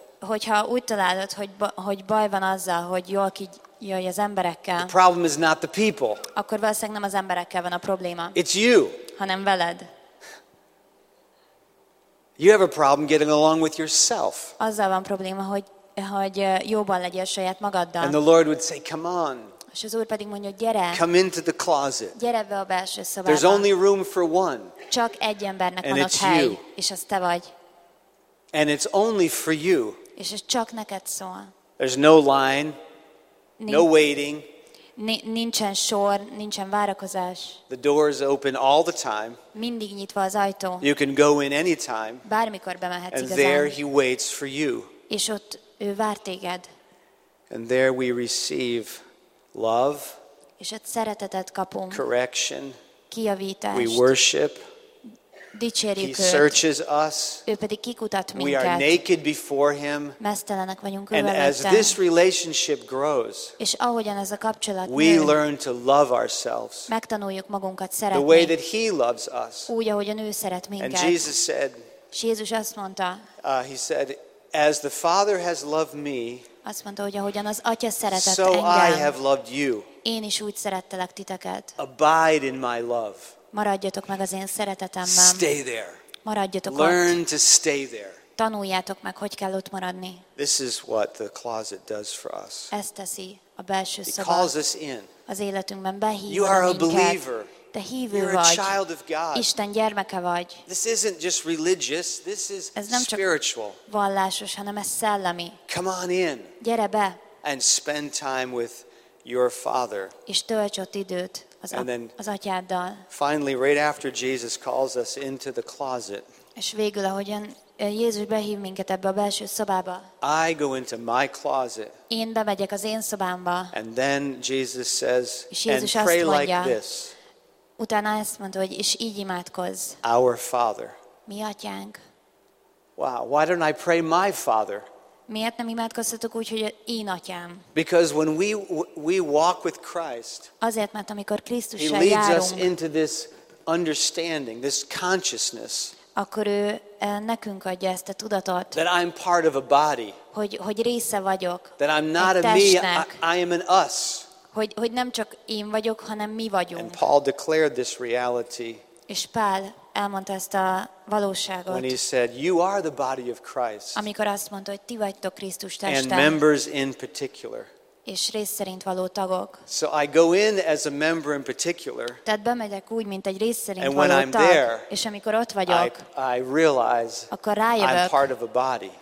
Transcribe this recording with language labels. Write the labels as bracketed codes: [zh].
[hu] hogyha úgy találod, hogy baj van azzal, hogy jól ki jaj, az emberekkel. [en] The problem is not the people. [hu] Akkor valószínűleg nem az emberekkel van a probléma. [en] It's you. [hu] Hanem veled. [en] You have a problem getting along with yourself. [hu] Azzal van probléma, hogy jobban legyél saját magaddal. [en] And the Lord would say, come on. [hu] És az Úr pedig mondja, gyere. [en] Come into the closet. [hu] Gyere be a belső szobába. [en] There's only room for one. [hu] Csak egy embernek [en] and [hu] van ott hely. [en] You. [hu] És az te vagy. [en] And it's only for you. [hu] És ez csak neked szól. [en] There's no line. No waiting. [hu] Nincsen sor, nincsen várakozás. [en] The door is open all the time. [hu] Mindig nyitva az ajtó. [en] You can go in anytime. [hu] Bármikor bemehetsz igazán. [en] there he waits for you. [hu] És ott ő vár téged. [en] And there we receive love. [hu] És ott szeretetet kapunk. [en] Correction. [hu] Kijavítást. [en] We worship. [hu] Dicsérjük őt. [en] He searches us. [hu] Ő pedig kikutat minket. [en] We are naked before him. [hu] Mesztelenek vagyunk [en] and [hu] előttem. [en] As this relationship grows, [hu] és ahogyan ez a kapcsolat [en] we [hu] nő, [en] learn to love ourselves. [hu] Megtanuljuk magunkat szeretni. [en] The way that he loves us. [hu] Úgy, ahogyan ő szeret minket. [en] And Jesus said, [hu] és Jézus azt mondta, [en] he said, as the Father has loved me, [hu] azt mondta, hogy ahogyan az Atya szeretett [en] so [hu] engem, [en] I have loved you. [hu] Én is úgy szerettelek titeket. [en] Abide in my love. [hu] Maradjatok meg az én szeretetemben. [en] Stay there. [hu] Maradjatok [en] learn [hu] ott. [en] To stay there. [hu] Tanuljátok meg, hogy kell ott maradni. [en] This is what the closet does for us. [hu] Ezt teszi a belső szoba. [en] It calls us in. [hu] Az életünkben behív minket. [en] You are a believer. [hu] Te hívő [en] you're [hu] vagy. [en] A child of God. [hu] Isten gyermeke vagy. [en] This isn't just religious, this is [hu] ez nem csak [en] spiritual. [hu] Vallásos, hanem ez szellemi. [en] Come on in. [hu] Gyere be. [en] And spend time with your father. [hu] És tölts ott időt. [en] And then [hu] az atyáddal. [en] Finally, right after Jesus calls us into the closet, [hu] és végül, ahogyan Jézus behív minket ebbe a belső szobába, [en] I go into my closet, [hu] én bemegyek az én szobámba, [en] and then Jesus says, [hu] és Jézus [en] and pray [hu] azt mondja, [en] like this, [hu] utána ezt mondta, hogy és így imádkozz, [en] our Father. [hu] Mi atyánk. [en] Wow, why don't I pray my Father? [hu] Miért nem imádkoztatok úgy, hogy én atyám? [en] Because when we walk with Christ, [hu] azért, mert amikor Krisztussal járunk, [en] he leads us into this understanding, this consciousness, [hu] akkor ő nekünk adja ezt a tudatot, [en] that I'm part of a body, [hu] hogy része vagyok, [en] that I'm not a me, I am an us, [hu] hogy nem csak én vagyok, hanem mi vagyunk. [en] And Paul declared this reality, [hu] és Pál elmondta ezt a valóságot. [en] When he said, you are the body of Christ. [hu] Amikor azt mondta, hogy ti vagytok Krisztus teste. [en] And members in particular. [hu] és rész szerint való tagok. [en] So I go in as a member in particular. [hu] Tehát bemegyek úgy, mint egy rész szerint [en] and [hu] való [en] when I'm [hu] tag, [en] there, [hu] és amikor ott vagyok, [en] I realize [hu] akkor rájövök, [en] I'm part of a body.